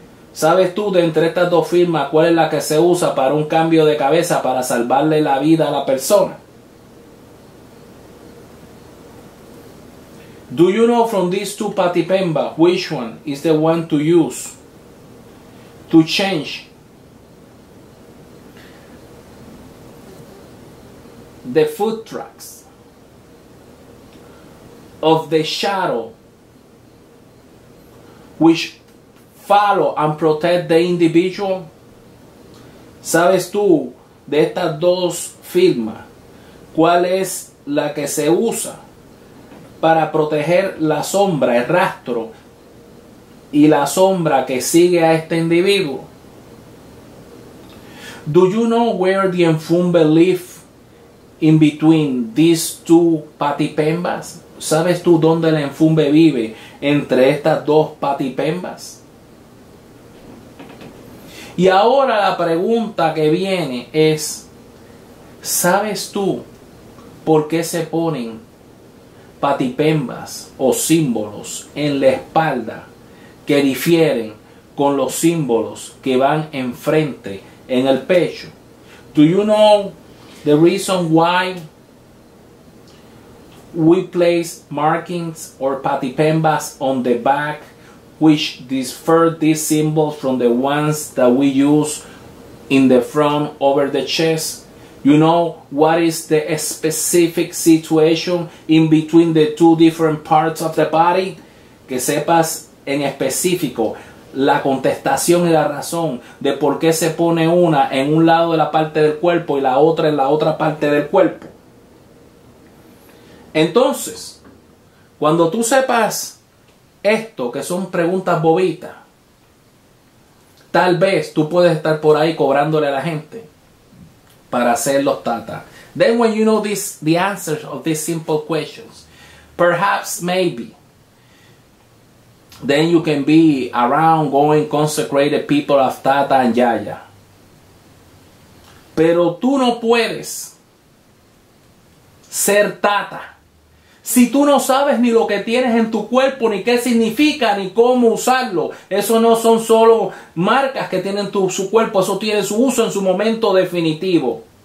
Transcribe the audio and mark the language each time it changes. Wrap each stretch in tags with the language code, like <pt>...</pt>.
<es>¿Sabes tú de entre estas dos firmas cuál es la que se usa para un cambio de cabeza para salvarle la vida a la persona?</es> <en>Do you know from these two Patipemba which one is the one to use to change the foot tracks of the shadow which follow and protect the individual?</en> <es>¿Sabes tú de estas dos firmas cuál es la que se usa para proteger la sombra, el rastro y la sombra que sigue a este individuo?</es> <en>Do you know where the Mfumbe live in between these two Patipembas?</en> <es>¿Sabes tú dónde el Mfumbe vive entre estas dos Patipembas? Y ahora la pregunta que viene es, ¿sabes tú por qué se ponen Patipembas o símbolos en la espalda que difieren con los símbolos que van enfrente en el pecho?</es> <en>Do you know the reason why we place markings or Patipembas on the back which differ these symbols from the ones that we use in the front over the chest? You know what is the specific situation in between the two different parts of the body?</en> <es>Que sepas en específico la contestación y la razón de por qué se pone una en un lado de la parte del cuerpo y la otra en la otra parte del cuerpo. Entonces, cuando tú sepas esto, que son preguntas bobitas, tal vez tú puedes estar por ahí cobrándole a la gente para hacer los tatas.</es> <en>Then when you know this, the answers of these simple questions, perhaps, maybe, then you can be around going consecrated people of Tata and Yaya.</en> <es>Pero tú no puedes ser Tata si tú no sabes ni lo que tienes en tu cuerpo, ni qué significa, ni cómo usarlo. Eso no son solo marcas que tienen su cuerpo. Eso tiene su uso en su momento definitivo.</es>